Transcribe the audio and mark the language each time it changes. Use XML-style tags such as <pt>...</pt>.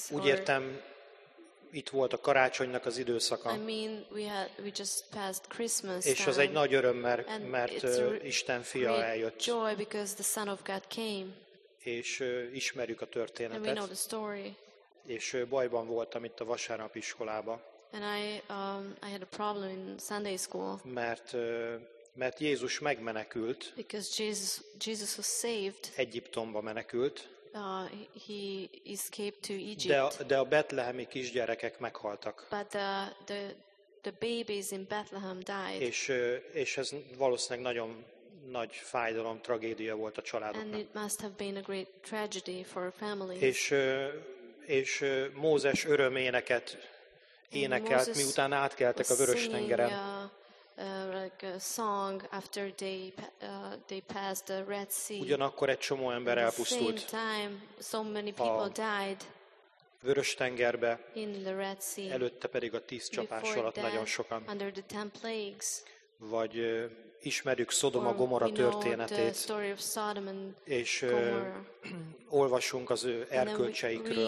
<hu>úgy értem, itt volt a karácsonynak az időszaka,</hu> <en>I mean, we just passed Christmas,</en> <hu>és az egy nagy öröm, mert Isten fia eljött.</hu> <en>Joy because the Son of God came.</en> <hu>És ismerjük a történetet.</hu> <en>And we know the story.</en> <hu>És bajban voltam itt a vasárnapi iskolába.</hu> <en>And I had a problem in Sunday school.</en> <hu>Mert Jézus megmenekült.</hu> <en>Because Jesus was saved.</en> <hu>Egyiptomba menekült.</hu> <en>He escaped to Egypt.</en> <hu>De a betlehemi kisgyerekek meghaltak.</hu> <en>But the babies in Bethlehem died.</en> <hu>És ez valószínűleg nagyon nagy fájdalom, tragédia volt a családoknak.</hu> <en>And it must have been a great tragedy for a family.</en> <hu>És Mózes öröméneket énekelt, miután átkeltek a Vöröstengeren.</hu> <en>Like a song after they passed the Red Sea.</en> <hu>Ugyanakkor egy csomó ember elpusztult.</hu> <en>At the same time, so many people died.</en> <hu>Vöröstengerbe.</hu> <en>In the Red Sea.</en> <hu>Előtte pedig a tíz csapás alatt nagyon sokan.</hu> <en>Under the ten plagues.</en> <hu>Vagy ismerjük Szodoma Gomorra történetét.</hu> <en>The story of Sodom and Gomorrah.</en> <hu>És olvasunk az ő erkölcseikről.</hu>